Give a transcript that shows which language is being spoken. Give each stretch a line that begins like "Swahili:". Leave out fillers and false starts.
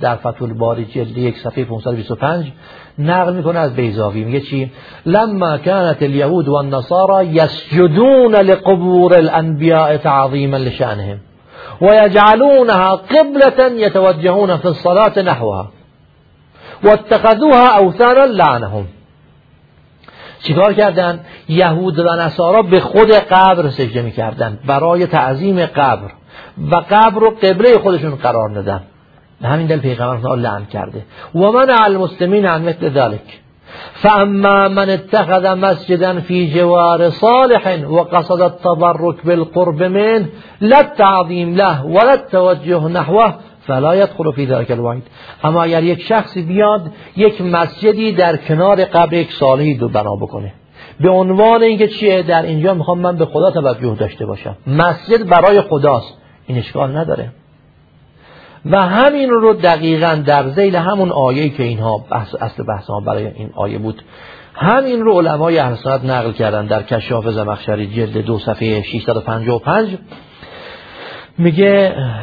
Persian: در فتح الباری جلد یک صفحه 525 نقل میکنه از بیضاوی، میگه چی؟
Arabic: لما كانت اليهود والنصارى يسجدون لقبور الانبياء تعظيما لشانهم ويجعلونها قبلة يتوجهون في الصلاة نحوها واتخذوها اوثانا لعنهم.
Persian: چیکار کردن؟ یهود و نصارا به خود قبر سجده میکردن برای تعظیم قبر و قبر رو قبله خودشون قرار دادن. به همین دل پیغمبر خدا لعن کرده.
Arabic: و منع المسلمین عن مثل ذلك، فاما من اتخذ مسجدا في جوار صالح وقصد التبرك بالقرب منه لا التعظيم له ولا التوجه نحوه فلا يدخل في ذلك الوعيد.
Persian: اما اگر یک شخصی بیاد یک مسجدی در کنار قبر یک صالحی رو بنا بکنه به عنوان اینکه چیه، در اینجا میخوام من به خدا توجه داشته باشم، مسجد برای خداست، این اشکال نداره. و همین رو دقیقا در ذیل همون آیه که اینها بحث اصل بحث ما برای این آیه بود، همین رو علمای اهل سنت نقل کردن در کشاف زمخشری جلد 2 صفحه 655 میگه